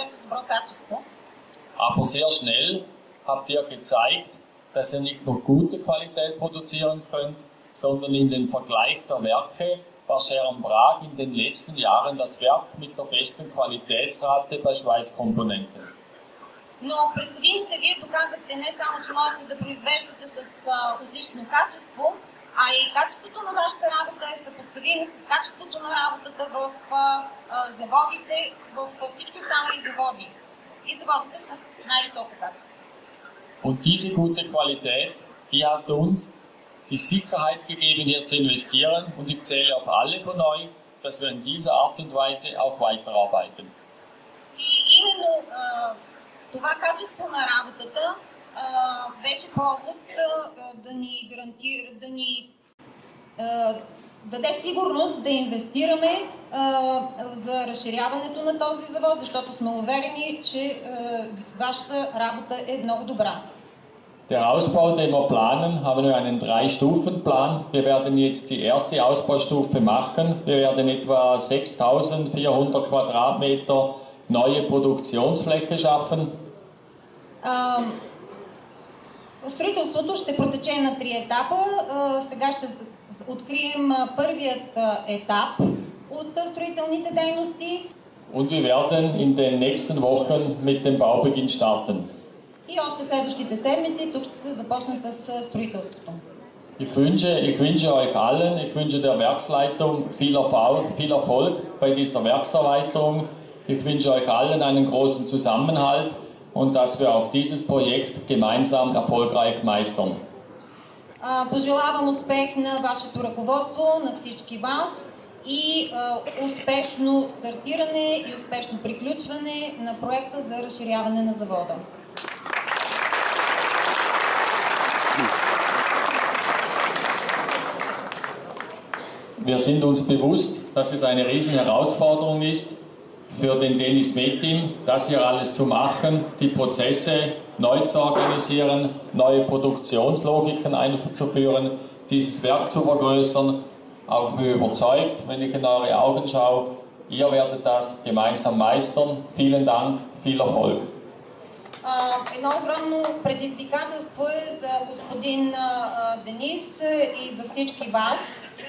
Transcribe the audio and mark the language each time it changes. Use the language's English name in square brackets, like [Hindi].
[German] Aber sehr schnell habt ihr gezeigt, dass ihr nicht nur gute Qualität produzieren könnt, sondern in den Vergleich der Werke war Schermbrach in den letzten Jahren das Werk mit der besten Qualitätsrate bei Schweißkomponenten. [Bulgarian] Но през годините вие доказахте не само, че можете да произвеждате с отлично качество, а и качеството на вашата работа е съпоставимо с качеството на работата в заводите, в всички останали заводи. И заводите са с най-високо качество. [German] Und diese gute Qualität, die hat uns die Sicherheit gegeben, hier zu investieren, und ich zähle auf alle von euch, dass wir in dieser Art und Weise auch weiterarbeiten. [Bulgarian] Именно това качество на работата беше повод да ни гарантира, да ни даде сигурност да инвестираме за разширяването на този завод, защото сме уверени, че вашата работа е много добра. [German] Der Ausbau, den wir planen, haben wir einen 3-Stufen-Plan. Wir werden jetzt die erste Ausbaustufe machen. Wir werden etwa 6400 Quadratmeter neue Produktionsfläche schaffen. [Bulgarian] Строителството ще протече на три етапа. Сега ще открием първият етап от строителните дейности. [German] Und wir werden in den nächsten Wochen mit dem Baubeginn starten. [Bulgarian] И още следващите седмици тук ще се започне с строителството. [German] Ich wünsche euch allen, ich wünsche der Werksleitung viel Erfolg bei dieser Werkserweiterung. Ich wünsche euch allen einen großen Zusammenhalt und dass wir auch dieses Projekt gemeinsam erfolgreich meistern. [Bulgarian] Пожелавам успех на вашето ръководство, на всички вас и успешно стартиране и успешно приключване на проекта за разширяване на завода. [German] Wir sind uns bewusst, dass es eine riesen Herausforderung ist für den Dennis Metin, das hier alles zu machen, die Prozesse neu zu organisieren, neue Produktionslogiken einzuführen, dieses Werk zu vergrößern. Auch bin ich überzeugt, wenn ich in eure Augen schaue, ihr werdet das gemeinsam meistern. Vielen Dank, viel Erfolg. [Bulgarian] Едно огромно предизвикателство е за господин Денис и за всички вас.